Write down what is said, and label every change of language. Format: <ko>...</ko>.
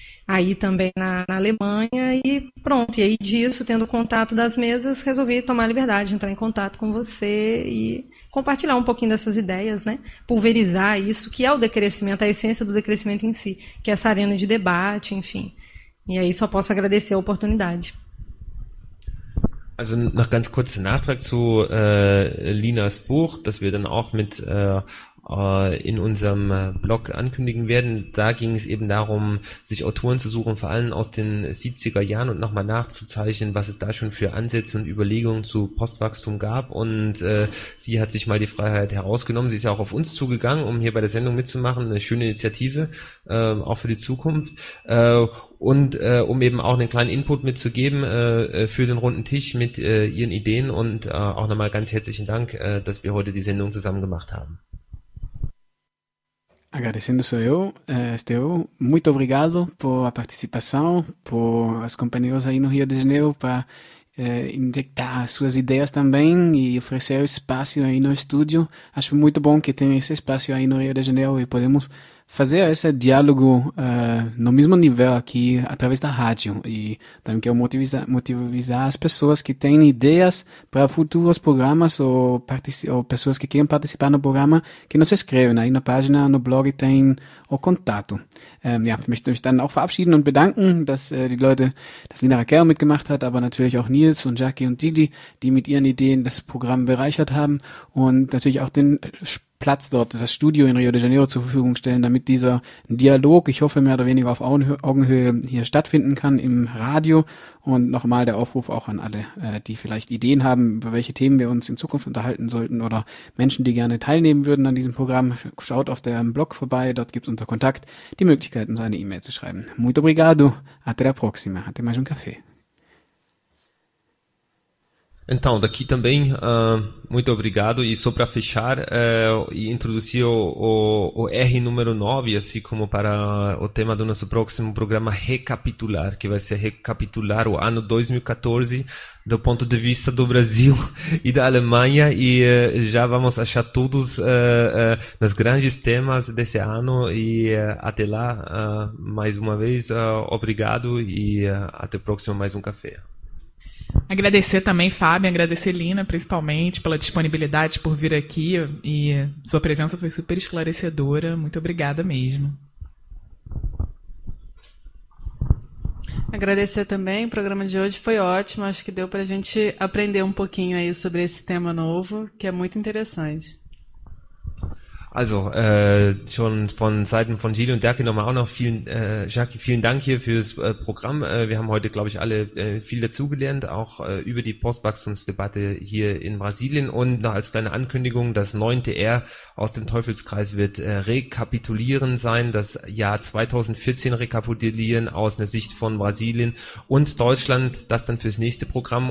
<pt>aí também na Alemanha, e pronto. E aí disso, tendo contato das mesas, resolvi tomar a liberdade, entrar em contato com você e compartilhar um pouquinho dessas ideias, né? Pulverizar isso, que é o decrescimento, a essência do decrescimento em si, que é essa arena de debate, enfim. E aí só posso agradecer a oportunidade.</pt> <de>Also noch ganz kurz Nachtrag zu Linas Buch, das wir dann auch mit in unserem Blog ankündigen werden. Da ging es eben darum, sich Autoren zu suchen, vor allem aus den 70er Jahren, und nochmal nachzuzeichnen, was es da schon für Ansätze und Überlegungen zu Postwachstum gab. Und sie hat sich mal die Freiheit herausgenommen. Sie ist ja auch auf uns zugegangen, um hier bei der Sendung mitzumachen. Eine schöne Initiative, auch für die Zukunft. Und um eben auch einen kleinen Input mitzugeben für den runden Tisch mit ihren Ideen. Und auch nochmal ganz herzlichen Dank, dass wir heute die Sendung zusammen gemacht haben.</de> <pt>Agradecendo sou eu, Esteu, muito obrigado por a participação, por as companhias aí no Rio de Janeiro para injetar suas ideias também e oferecer espaço aí no estúdio. Acho muito bom que tenha esse espaço aí no Rio de Janeiro e podemos fazer esse diálogo no mesmo nível aqui através da rádio. E também quero motivar as pessoas que têm ideias para futuros programas ou pessoas que querem participar no programa, que não se inscrevam. Aí na página, no blog, tem o contato.</pt> <de>Möchte mich dann auch verabschieden und bedanken, dass die Leute, dass Lina Raquel mitgemacht hat, aber natürlich auch Nils und Jackie und Didi, die mit ihren Ideen das Programm bereichert haben und natürlich auch den Platz dort, das Studio in Rio de Janeiro zur Verfügung stellen, damit dieser Dialog, ich hoffe mehr oder weniger auf Augenhöhe, hier stattfinden kann im Radio. Und nochmal der Aufruf auch an alle, die vielleicht Ideen haben, über welche Themen wir uns in Zukunft unterhalten sollten oder Menschen, die gerne teilnehmen würden an diesem Programm, schaut auf dem Blog vorbei, dort gibt es unter Kontakt die Möglichkeit, uns eine E-Mail zu schreiben.</de> <pt>Muito obrigado, até a próxima, até mais café. Então, daqui também, muito obrigado. E só para fechar e introduzir o R número 9, assim como para o tema do nosso próximo programa, recapitular, que vai ser recapitular o ano 2014 do ponto de vista do Brasil e da Alemanha. E já vamos achar todos nos grandes temas desse ano. E até lá, mais uma vez, obrigado e até o próximo Mais um Café. Agradecer também, Fábio, agradecer Lina, principalmente, pela disponibilidade, por vir aqui, e sua presença foi super esclarecedora, muito obrigada mesmo. Agradecer também, o programa de hoje foi ótimo, acho que deu para a gente aprender um pouquinho aí sobre esse tema novo, que é muito interessante.</pt> <de>Also, schon von Seiten von Gili und Jackie nochmal auch noch vielen, Jackie, vielen Dank hier fürs Programm. Wir haben heute, glaube ich, alle viel dazugelernt, auch über die Postwachstumsdebatte hier in Brasilien. Und noch als kleine Ankündigung, das 9. R aus dem Teufelskreis wird rekapitulieren sein, das Jahr 2014 rekapitulieren aus der Sicht von Brasilien und Deutschland, das dann fürs nächste Programm.</de>